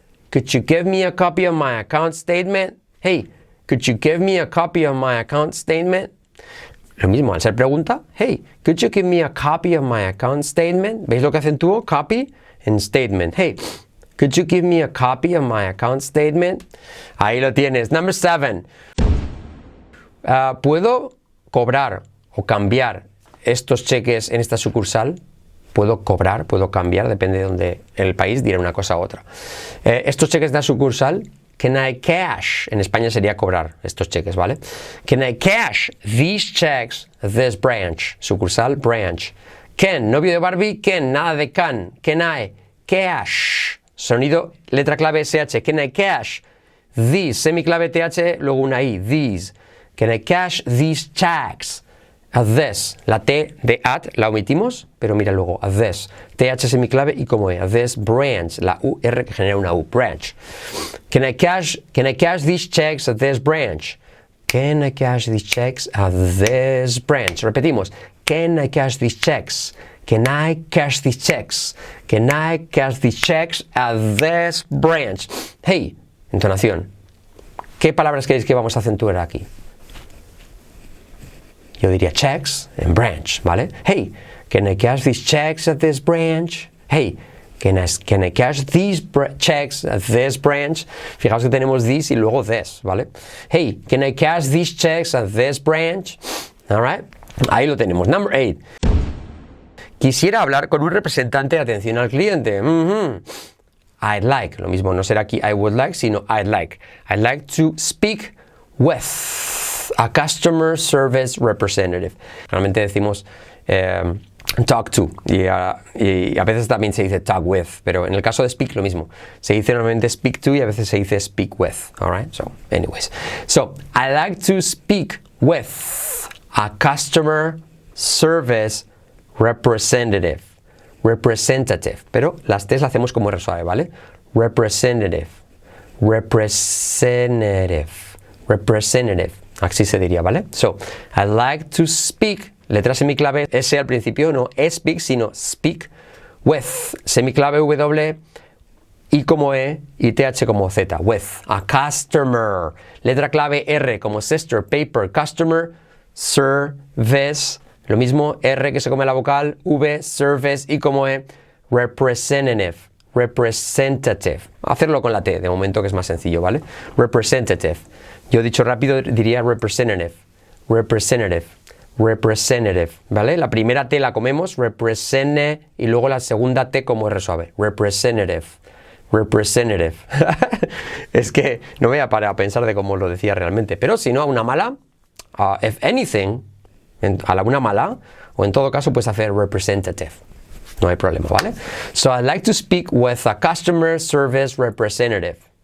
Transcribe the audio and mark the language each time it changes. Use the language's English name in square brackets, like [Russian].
[English] Could you give me a copy of my account statement? Hey, could you give me a copy of my account statement? [Spanish] Lo mismo, al ser pregunta, [English] hey, could you give me a copy of my account statement? [Spanish] ¿Veis lo que acentúo? [English] Copy and statement. Hey, could you give me a copy of my account statement? [Spanish] Ahí lo tienes. [English] Number 7. [Spanish] ¿Puedo cobrar o cambiar estos cheques en esta sucursal? Puedo cobrar, puedo cambiar, depende de donde el país dirá una cosa u otra. Estos cheques de la sucursal, [English] can I cash? [Spanish] En España sería cobrar estos cheques, ¿vale? [English] Can I cash these checks this branch? [Spanish] Sucursal, branch. Can, novio de Barbie, can, nada de can. Can I cash? Sonido, letra clave SH. Can I cash these, semiclave TH, luego una I, these. [English] Can I cash these checks at this? [Spanish] La T de at la omitimos, pero mira luego, at this. TH semiclave y cómo es, at this branch, la UR que genera una U, branch. [English] Can I cash these checks at this branch? Can I cash these checks at this branch? Repetimos, can I cash these checks? Can I cash these checks? Can I cash these checks at this branch? [Spanish] Hey, entonación. ¿Qué palabras creéis que vamos a acentuar aquí? Yo diría checks and branch, ¿vale? [English] Hey, can I cash these checks at this branch? Hey, can I cash these checks at this branch? [Spanish] Fijaos que tenemos this y luego this, ¿vale? [English] Hey, can I cash these checks at this branch? All right, [Spanish] ahí lo tenemos. [English] Number 8. [Spanish] Quisiera hablar con un representante de atención al cliente. [English] Mm-hmm. I'd like. [Spanish] Lo mismo, no será aquí [English] I would like, sino I'd like. I'd like to speak with a customer service representative. [Spanish] Normalmente decimos talk to. Y a veces también se dice talk with. Pero en el caso de speak, lo mismo. Se dice normalmente speak to y a veces se dice speak with. [English] All right? So, anyways. So, I'd like to speak with a customer service representative. Representative. [Spanish] Pero las T's las hacemos como R suave, ¿vale? Representative. Representative. Representative. Así se diría, ¿vale? So, I'd like to speak. Letra semiclave S al principio, no speak, sino speak with. Semiclave W, I como E y TH como Z. With a customer. Letra clave R como sister, paper, customer, service. Lo mismo, R que se come la vocal, V, service, y como E, representative, representative. Hacerlo con la T, de momento que es más sencillo, ¿vale? Representative. Yo dicho rápido, diría representative, representative, representative, ¿vale? La primera T la comemos, represente, y luego la segunda T como R suave, representative, representative. Es que no me voy a parar a pensar de cómo lo decía realmente, pero si no, a una mala, [English] if anything, [Spanish] a la una mala, o en todo caso puedes hacer representative. No hay problema, ¿vale? [English] So, I'd like to speak with a customer service representative.